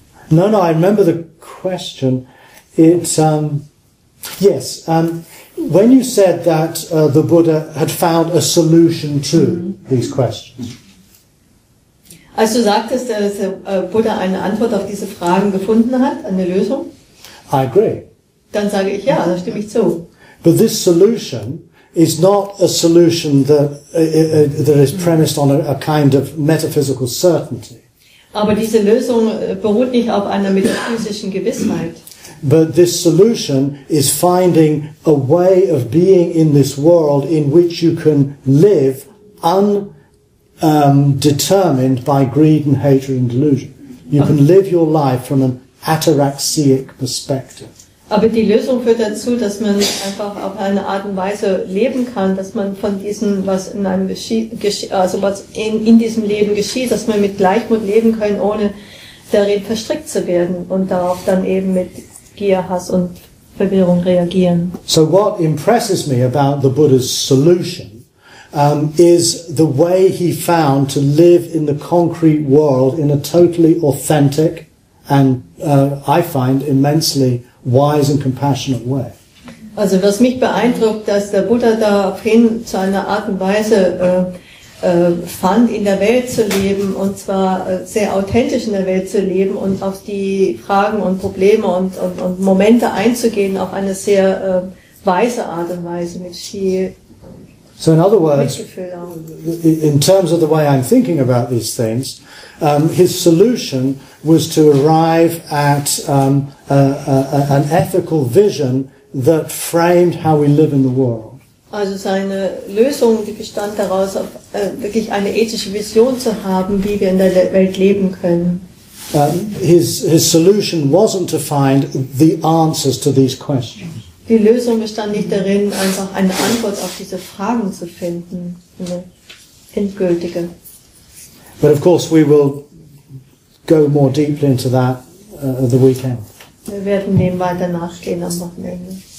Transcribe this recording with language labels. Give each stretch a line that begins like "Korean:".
English: No, I remember the question. It's yes. When you said that the Buddha had found a solution to these questions.
German: Als du sagtest, dass der Buddha eine Antwort auf diese Fragen gefunden hat, eine Lösung.
English: I agree.
German: Dann sage ich ja, da stimme ich zu.
English: But this solution is not a solution that is premised on a kind of metaphysical certainty.
German: Aber diese Lösung beruht nicht auf einer metaphysischen Gewissheit.
English: But this solution is finding a way of being in this world in which you can live undetermined by greed and hatred and delusion. You can live your life from an ataraxic perspective.
German: Aber die Lösung führt dazu, dass man einfach auf eine Art und Weise leben kann, dass man von diesem, was in einem was in diesem Leben geschieht, dass man mit Gleichmut leben kann, ohne darin verstrickt zu werden und darauf dann eben mit Gier, Hass und Verwirrung reagieren.
English: So what impresses me about the Buddha's solution is the way he found to live in the concrete world in a totally authentic and I find immensely wise and compassionate way.
German: Also, was mich beeindruckt, dass der Buddha daraufhin zu einer Art und Weise fand, in der Welt zu leben, und zwar sehr authentisch in der Welt zu leben und auf die Fragen und Probleme und Momente einzugehen, auf eine sehr weise Art und Weise mit Mitgefühl.
English: So, in other words, in terms of the way I'm thinking about these things, his solution was to arrive at an ethical vision that framed how we live in the world.
German: Also seine Lösung, die bestand daraus, auf, wirklich eine ethische Vision zu haben, wie wir in der Welt leben können.
English: His solution wasn't to find the answers to these questions.
German: Die Lösung bestand nicht darin, einfach eine Antwort auf diese Fragen zu finden, eine endgültige.
English: But of course we will go more deeply into that the weekend.
German: Wir werden dem weiter nachgehen am Wochenende.